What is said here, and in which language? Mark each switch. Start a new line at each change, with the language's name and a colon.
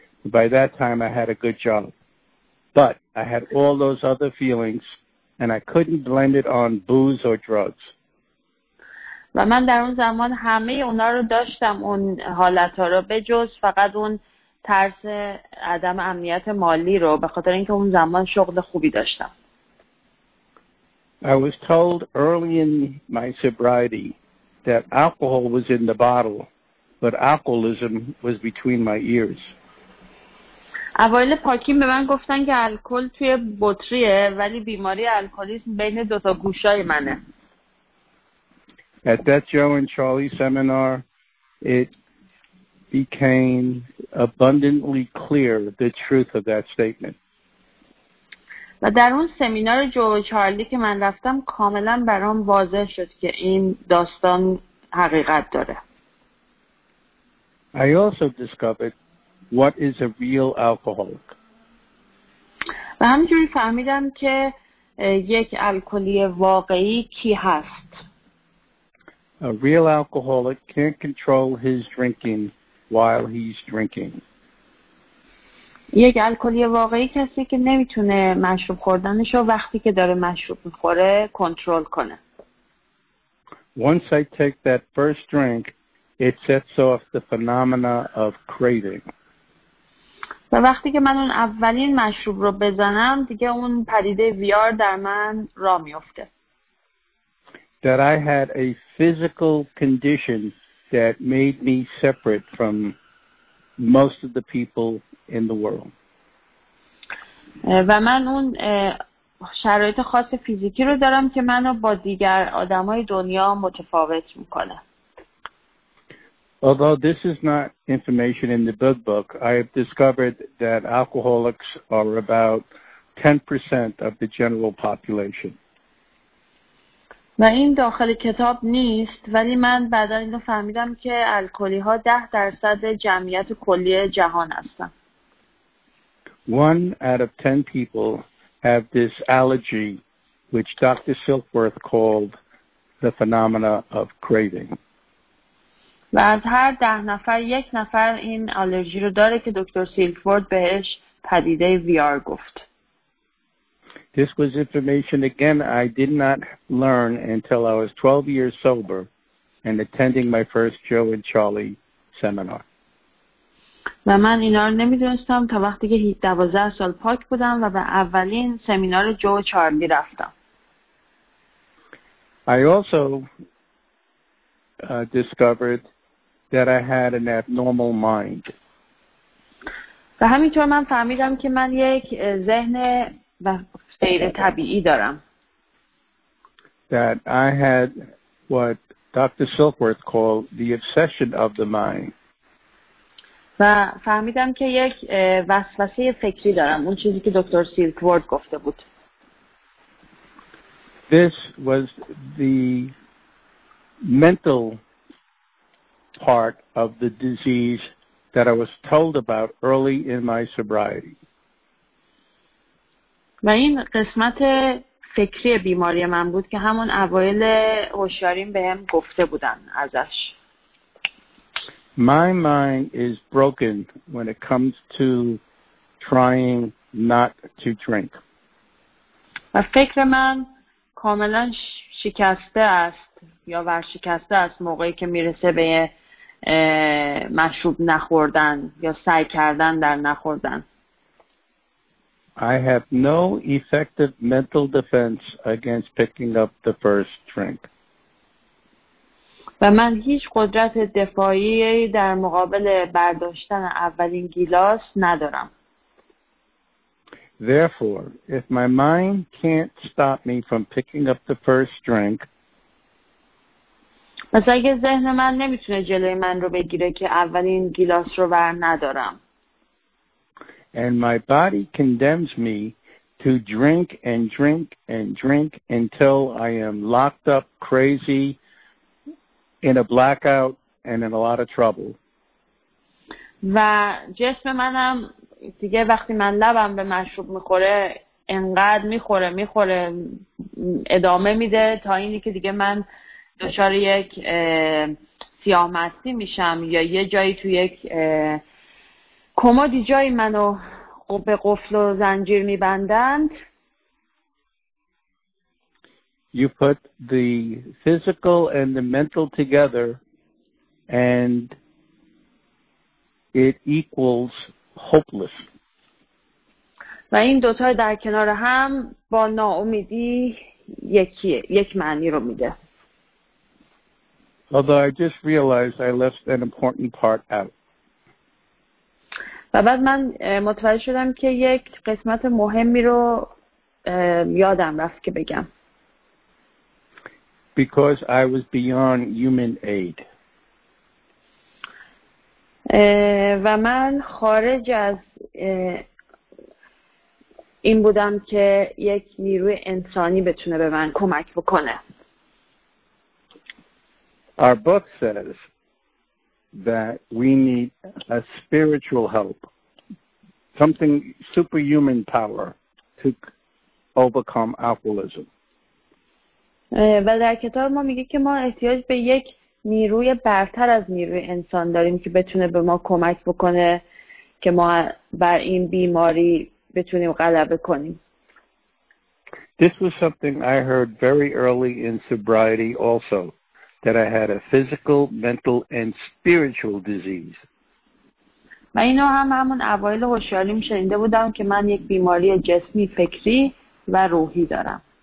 English: By that time I had a good job. But I had all those other feelings and I couldn't blame it on booze or drugs.
Persian: و من در اون زمان همه اونا رو داشتم اون حالت ها رو به جز فقط اون ترس عدم امنیت مالی رو به خاطر اینکه اون زمان شغل خوبی داشتم.
English: I was told early in my sobriety that alcohol was in the bottle, but alcoholism was between my ears.
Persian: اوایل پاکیم به من گفتن که الکل توی بطریه ولی بیماری الکلیسم بین دوتا گوشای منه.
English: At that Joe and Charlie seminar, it became abundantly clear the truth of that statement.
Persian: و در اون سمینار جو و چارلی که من رفتم کاملا برام واضح شد که این داستان حقیقت داره.
English: I also discovered what is a real alcoholic.
Persian: و همینجوری فهمیدم که یک الکلی واقعی کی هست.
English: A real alcoholic can't control his drinking while he's drinking.
Persian: یک الکلی واقعی کسی که نمیتونه مشروب خوردنشو وقتی که داره مشروب میخوره کنترل کنه.
English: Once I take that first drink, it sets off the phenomena of craving.
Persian: و وقتی که من اون اولین مشروب رو بزنم دیگه اون پدیده ویار در من را میفته.
English: That I had a physical condition that made me separate from most of the people in the world.
Persian: و من اون شرایط خاص فیزیکی رو دارم که منو با دیگر آدمای دنیا متفاوت میکنه.
English: Although this is not information in the big book, I have discovered that alcoholics are about 10% of the general population.
Persian: و این داخل کتاب نیست ولی من بعدا اینو فهمیدم که الکلی ها 10% جمعیت کلی جهان هستن.
English: One out of 10 people have this allergy which Dr. Silkworth called the phenomena of craving.
Persian: و از هر 10 نفر یک نفر این آلرژی رو داره که دکتر سیلفورد بهش پدیده وی آر گفت.
English: This was information again I did not learn until I was 12 years sober and attending my first Joe and Charlie seminar.
Persian: و من اینا رو نمیدونستم تا وقتی که 12 سال پاک بودم و به اولین سمینار جو و چارلی رفتم.
English: I also discovered that I had an abnormal mind.
Persian: و همینطور من فهمیدم که من یک ذهن و غیر طبیعی دارم.
English: That I had what Dr. Silkworth called the obsession of the mind.
Persian: و فهمیدم که یک وسوسه فکری دارم. اون چیزی که دکتر سیلکورد گفته بود.
English: This was the mental part of the disease that I was told about early in my sobriety.
Persian: و این قسمت فکری بیماری من بود که همون اوایل هوشیاریم بهم گفته بودن ازش.
English: My mind is broken when it comes to trying not to drink.
Persian: و فکر من کاملا شکسته است یا ورشکسته است موقعی که میرسه به مشروب نخوردن یا سعی کردن در نخوردن.
English: I have no effective mental defense against picking up the first drink.
Persian: و من هیچ قدرت دفاعی در مقابل برداشتن اولین گیلاس ندارم.
English: Therefore, if my mind can't stop me from picking up the first drink,
Persian: پس اگه ذهن من نمیتونه جلوی من رو بگیره که اولین گیلاس رو بر ندارم.
English: And my body condemns me to drink and drink and drink until I am locked up crazy in a blackout and in a lot of trouble.
Persian: و جسم منم دیگه وقتی من لبم به مشروب میخوره انقدر میخوره میخوره ادامه میده تا اینی که دیگه من دچار یک سیاه‌مستی میشم یا یه جایی تو یک کمدی جایی منو به قفل و زنجیر میبندند.
English: you put the physical and the mental together, and it equals hopeless.
Persian: و این دو تا در کنار هم با ناامیدی یک معنی رو میده.
English: Although I just realized I left an important part out.
Persian: و بعد من متوجه شدم که یک قسمت مهمی رو یادم رفت که بگم.
English: Because I was beyond human aid.
Persian: و من خارج از این بودم که یک نیروی انسانی بتونه به من کمک بکنه.
English: Our book says that we need a spiritual help, something superhuman power to overcome alcoholism.
Persian: و در کتاب ما میگه که ما احتیاج به یک نیروی برتر از نیروی انسان داریم که بتونه به ما کمک بکنه که ما بر این بیماری بتونیم غلبه کنیم.
English: This was something I heard very early in sobriety also, that I had a physical, mental, and spiritual disease.
Persian: من اینو هم همون اوایل هوشیاریم شنیده بودم که من یک بیماری جسمی، فکری و روحی دارم.